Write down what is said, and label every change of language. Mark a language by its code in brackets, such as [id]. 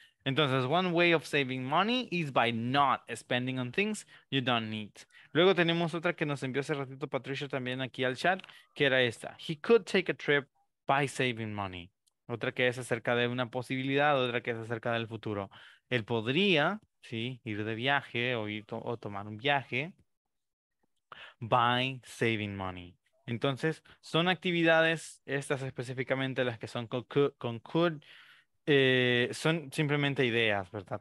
[es] Entonces, [en] one way of saving money is by not spending on things you don't need. [es] Luego tenemos otra que nos envió hace ratito Patricia también aquí al chat, que era esta. [en] He could take a trip by saving money. [es] Otra que es acerca de una posibilidad, otra que es acerca del futuro. Él podría, sí, ir de viaje o tomar un viaje [en] by saving money. [es] Entonces, son actividades, estas específicamente las que son con could, son simplemente ideas, ¿verdad?